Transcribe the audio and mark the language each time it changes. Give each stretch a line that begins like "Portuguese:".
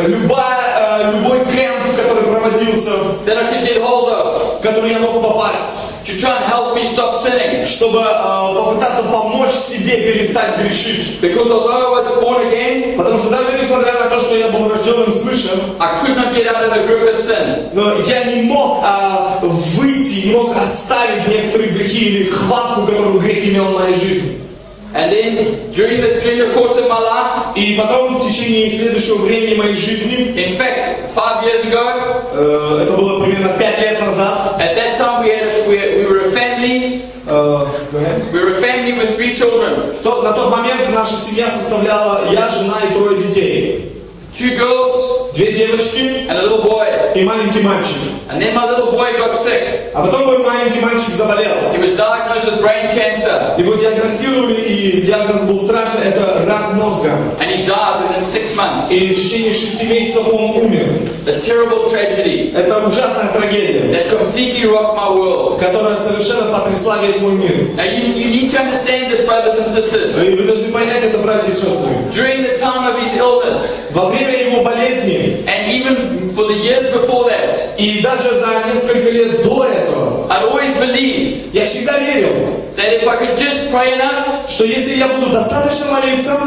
Russian: Любой кемп, который проводился.
English: That I could get hold of.
Russian: Который я мог попасть.
English: To try and help me stop sinning.
Russian: Чтобы попытаться помочь себе перестать грешить.
English: Because although I was born again.
Russian: Потому что даже несмотря на то, что я был рожденным свыше.
English: I could not get out of the grip of sin.
Russian: Но я не мог выйти, не мог оставить некоторые грехи или хватку, которую грех имел в моей жизни.
English: And then during the course of my life.
Russian: И потом в течение следующего времени моей жизни.
English: In fact, 5 years ago.
Russian: Это было примерно 5 лет назад.
English: At that time we were a family. We were a family with 3 children.
Russian: На тот момент наша семья составляла я, жена и 3 детей.
English: 2 girls.
Russian: 2 девочки.
English: And a little boy.
Russian: И маленький мальчик.
English: And then my little boy got sick.
Russian: А потом мой маленький мальчик заболел.
English: He was diagnosed with brain cancer.
Russian: Его диагностировали, и диагноз был страшный. Это рак мозга.
English: And he died within 6 months.
Russian: И в течение 6 месяцев он умер.
English: A terrible tragedy.
Russian: Это ужасная трагедия.
English: That completely rocked my world.
Russian: Которая совершенно потрясла весь мой мир.
English: Now you need to understand this, brothers and sisters.
Russian: И вы должны понять это, братья и сестры.
English: During the time of his illness.
Russian: Во время его болезни.
English: And even for the years before that.
Russian: И даже за несколько лет до этого.
English: I always believed.
Russian: Я всегда верил.
English: That if I could just pray enough.
Russian: Что если я буду достаточно молиться.